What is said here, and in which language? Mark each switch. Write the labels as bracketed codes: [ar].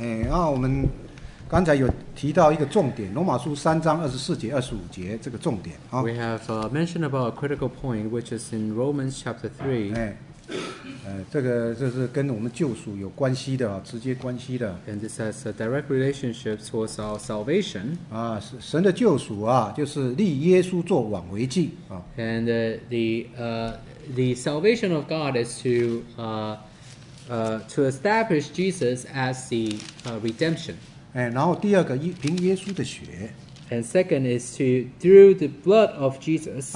[zh] 我们刚才有提到一个重点，罗马书三章二十四节、二十五节这个重点。 [en] We have mentioned about a critical point, which is in Romans chapter 3. [zh] 这个就是跟我们救赎有关系的，直接关系的。 [en] And this has a direct relationship towards our salvation. [zh] 神的救赎就是立耶稣做挽回祭。 [en] And the salvation of God is to establish Jesus as the redemption. [zh] 然后第二个，凭耶稣的血。 [en] And second is to through the blood of Jesus.